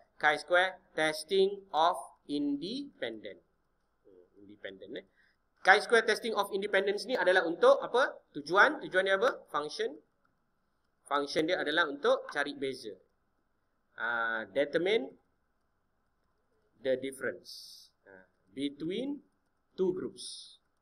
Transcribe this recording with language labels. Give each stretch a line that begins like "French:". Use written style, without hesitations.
English: Chi Square Testing of Independent. Independent eh.
Malay: Chi-square testing of independence ni adalah untuk apa? Tujuan. Tujuan dia apa? Function. Function dia adalah untuk cari beza.
English: Determine the difference between two groups.